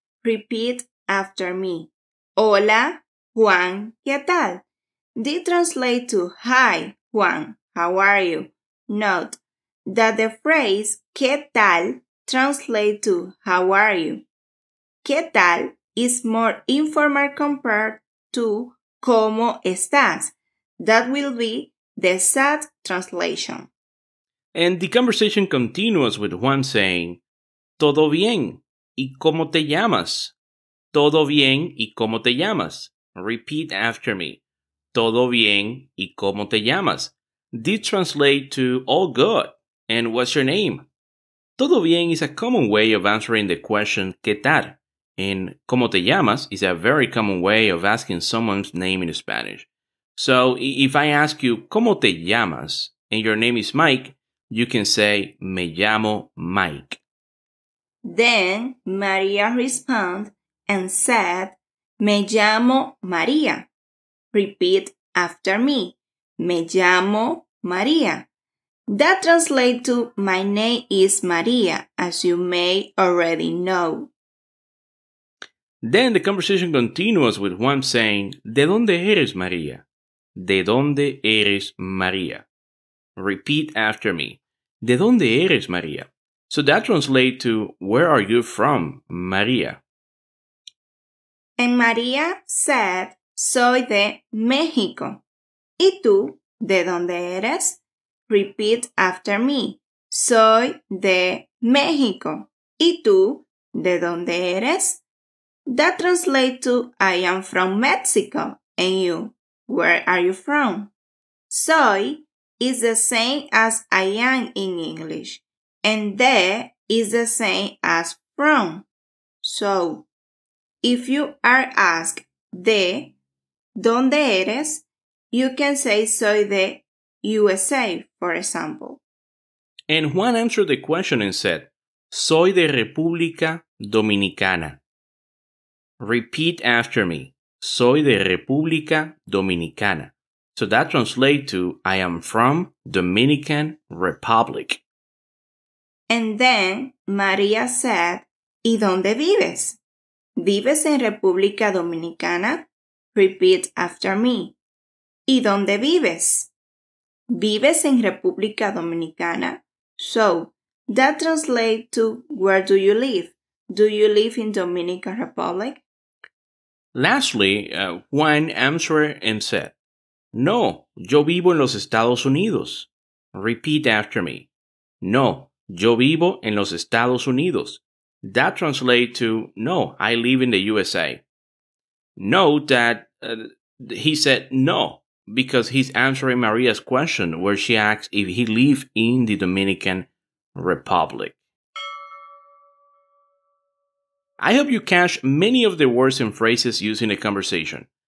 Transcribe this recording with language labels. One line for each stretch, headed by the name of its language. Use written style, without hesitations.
English: Repeat after me.
Spanish: Hola, Juan, ¿qué tal?
English: They translate to, hi, Juan, how are you? Note that the phrase,
Spanish: ¿qué tal?
English: Translate to, how are you?
Spanish: ¿Qué tal?
English: Is more informal compared to
Spanish: ¿cómo estás?
English: That will be the sad translation. And the conversation continues with Juan saying,
Spanish: ¿todo bien? ¿Y cómo te llamas? ¿Todo bien? ¿Y cómo te llamas?
English: Repeat after me.
Spanish: ¿Todo bien? ¿Y cómo te llamas?
English: This translates to all good. And what's your name?
Spanish: ¿Todo bien?
English: Is a common way of answering the question,
Spanish: ¿qué tal? And ¿cómo te llamas?
English: Is a very common way of asking someone's name in Spanish. So, if I ask you,
Spanish: ¿cómo te llamas?
English: And your name is Mike, you can say,
Spanish: me llamo Mike.
English: Then, María responded and said,
Spanish: me llamo María.
English: Repeat after me.
Spanish: Me llamo María.
English: That translates to, my name is María, as you may already know. Then the conversation continues with Juan saying,
Spanish: ¿De dónde eres, María? ¿De dónde eres, María?
English: Repeat after me.
Spanish: ¿De dónde eres, María?
English: So that translates to, where are you from, María? And María said,
Spanish: soy de México. ¿Y tú, de dónde eres?
English: Repeat after me.
Spanish: Soy de México. ¿Y tú, de dónde eres?
English: That translates to, I am from Mexico, and you, where are you from? Soy is the same as I am in English, and de is the same as from. So, if you are asked de,
Spanish: ¿Dónde eres?
English: You can say
Spanish: soy de USA,
English: for example. And Juan answered the question and said,
Spanish: soy de República Dominicana.
English: Repeat after me.
Spanish: Soy de República Dominicana.
English: So that translates to, I am from Dominican Republic. And then María said,
Spanish: ¿y dónde vives? ¿Vives en República Dominicana?
English: Repeat after me.
Spanish: ¿Y dónde vives? ¿Vives en República Dominicana?
English: So, that translates to, where do you live? Do you live in Dominican Republic? Lastly, Juan answered and said,
Spanish: no, yo vivo en los Estados Unidos.
English: Repeat after me.
Spanish: No, yo vivo en los Estados Unidos.
English: That translates to, no, I live in the USA. Note that he said no, because he's answering Maria's question where she asks if he lives in the Dominican Republic. I hope you catch many of the words and phrases used in the conversation.